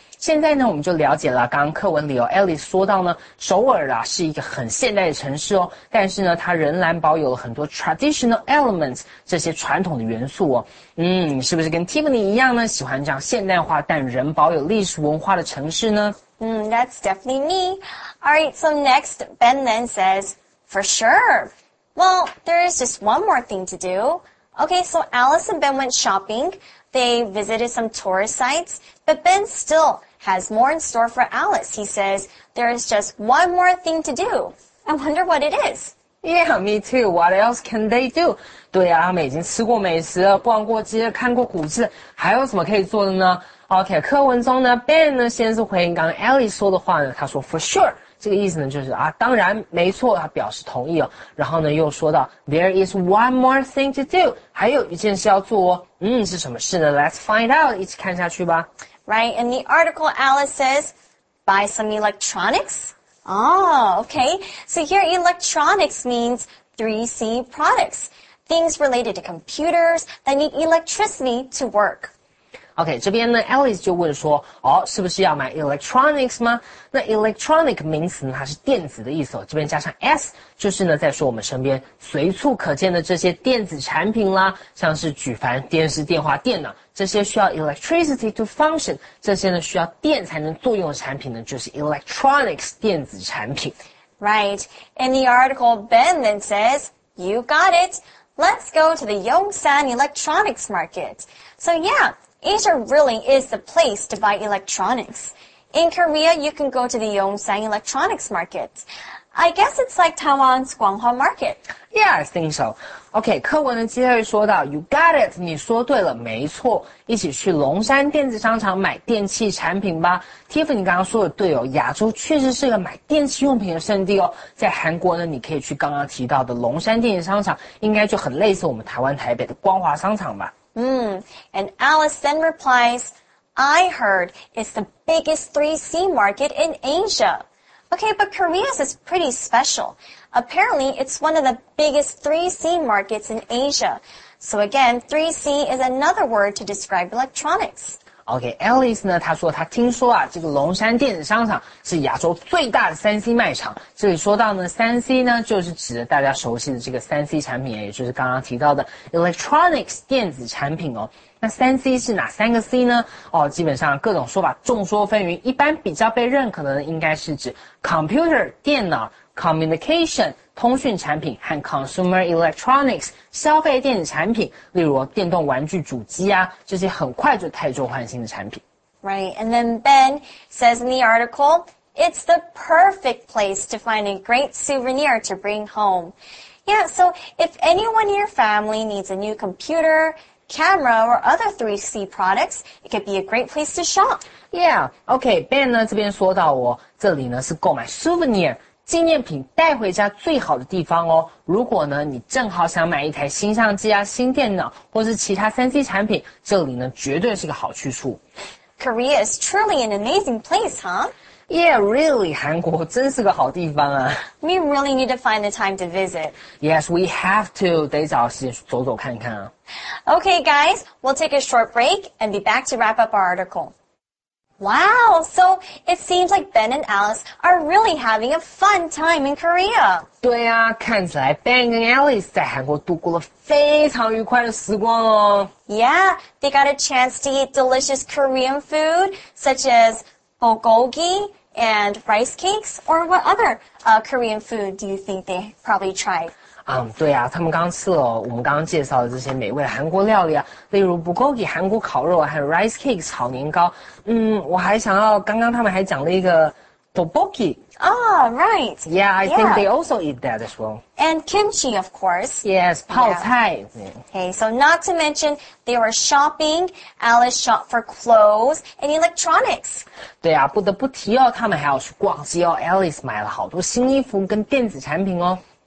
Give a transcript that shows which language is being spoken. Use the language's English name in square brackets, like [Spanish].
[Chinese] 现在呢我们就了解了刚刚课文里哦 Alice 说到呢首尔啊是一个很现代的城市哦，但是呢它仍然保有了很多 [English] traditional elements [Chinese] 这些传统的元素哦。嗯，是不是跟 Tiffany 一样呢，喜欢这样现代化但仍保有历史文化的城市呢？ [English] 嗯 That's definitely me. Alright, so next Ben then says, For sure. Well, there is just one more thing to do. Okay, so Alice and Ben went shopping. They visited some tourist sites, but Ben still has more in store for Alice. He says, there is just one more thing to do. I wonder what it is. Yeah, me too. What else can they do? [Chinese] 对啊，他们已经吃过美食了，逛过街，看过古迹，还有什么可以做的呢？ OK, 课文中呢， Ben 呢先是回应刚刚 Ellie 说的话呢，他说 [English] for sure, [Chinese] 这个意思呢就是啊，当然没错，他表示同意哦。然后呢又说到 [English] there is one more thing to do, [Chinese] 还有一件事要做哦。嗯，是什么事呢？ [English] Let's find out, [Chinese] 一起看下去吧。 [English] Right, in the article, Alice says, buy some electronics? Oh, okay. So here, electronics means 3C products. Things related to computers that need electricity to work. [Chinese] Okay, 这边呢 ,Alice 就问说哦，是不是要买 electronics 吗？那 electronic 名词呢，它是电子的意思哦。这边加上 S, 就是呢在说我们身边随处可见的这些电子产品啦，像是举凡电视、电话、电脑，这些需要 [English] electricity to function, [Chinese] 这些呢需要电才能作用的产品呢，就是 electronics, 电子产品。 [English] Right, in the article, Ben then says, you got it, let's go to the Yongsan electronics market. So yeah,Asia really is the place to buy electronics. In Korea, you can go to the Yongsan electronics market. I guess it's like Taiwan's Guanghua market. Yeah, I think so. [Chinese] Okay, 课文呢接下来说到 [English] You got it, [Chinese] 你说对了，没错，一起去龙山电子商场买电器产品吧。 Tiff, 你刚刚说的对哦，亚洲确实是个买电器用品的圣地哦。在韩国呢，你可以去刚刚提到的龙山电子商场，应该就很类似我们台湾台北的光华商场吧。 [English] And Alice then replies, I heard it's the biggest 3C market in Asia. Okay, but Korea's is pretty special. Apparently, it's one of the biggest 3C markets in Asia. So again, 3C is another word to describe electronics. [Chinese] Okay, Alice 呢，她说她听说啊，这个龙山电子商场是亚洲最大的 3C 卖场。这里说到呢 ,3C 呢就是指大家熟悉的这个 3C 产品，也就是刚刚提到的 electronics 电子产品哦。那 3C 是哪三个 C 呢？哦，基本上各种说法众说纷纭，一般比较被认可的应该是指 computer 电脑、communication 通讯产品和 consumer electronics 消费电子产品，例如电动玩具主机啊，这些很快就太旧换新的产品。 [English] Right, and then Ben says in the article, it's the perfect place to find a great souvenir to bring home. Yeah, so if anyone in your family needs a new computer,camera or other 3C products, it could be a great place to shop. [Chinese] Yeah, okay, Ben 呢这边说到哦，这里呢是购买 souvenir, 纪念品带回家最好的地方哦。如果呢你正好想买一台新相机啊、新电脑或是其他 3C 产品，这里呢绝对是个好去处。 [English] Korea is truly an amazing place, huh? Yeah, really, [Chinese] 韩国真是个好地方啊。 [English] We really need to find the time to visit. Yes, we have to, [Chinese] 得找时间走走看看啊。 [English] Okay, guys, we'll take a short break and be back to wrap up our article. Wow, so it seems like Ben and Alice are really having a fun time in Korea. [Chinese] 对啊，看起来 Ben 跟 Alice 在韩国度过了非常愉快的时光哦。 [English] Yeah, they got a chance to eat delicious Korean food, such as bulgogi and rice cakes, or what other, Korean food do you think they probably tried? [Chinese] 对啊，他们刚吃了我们刚刚介绍的这些美味的韩国料理啊，例如 bulgogi 韩国烤肉，还有 rice cake 炒年糕。我还想到刚刚他们还讲了一个 tteokbokki。 [English] Ah, right. Yeah, I think they also eat that as well. And kimchi, of course. [Chinese] Yes, 泡菜。Yeah. [English] Okay, so not to mention they were shopping. Alice shopped for clothes and electronics. [Chinese] 对啊，不得不提哦，他们还要去逛街哦。Alice 买了好多新衣服跟电子产品哦。